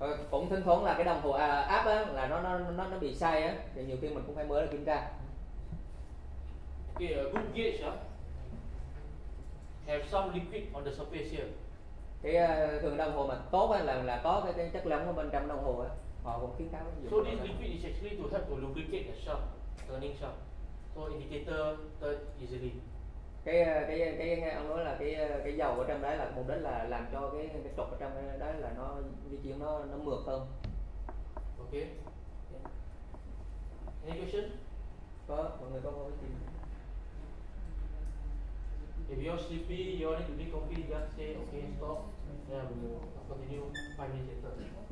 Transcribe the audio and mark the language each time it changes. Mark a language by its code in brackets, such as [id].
[vi] Cũng thỉnh thoảng là cái đồng hồ áp á, là nó bị sai á, thì nhiều khi mình cũng phải mở ra kiểm tra. [en] Okay, a good gauge have some liquid on the surface here. [vi] Cái thường đồng hồ mà tốt là có cái chất lỏng ở bên trong đồng hồ họ cũng khuyến cáo. [en] So this liquid is actually to help to lubricate the shaft, turning shaft. So indicator turn easily. [vi] Cái ông nói là cái dầu ở trong đấy là mục đích là làm cho cái trục ở trong đấy là nó di chuyển nó mượt hơn. [en] Okay. Any question? [vi] Có, mọi người có câu hỏi gì? [en] If you're sleepy, you need to be comfy, just say okay, stop, then we will continue 5 minutes later.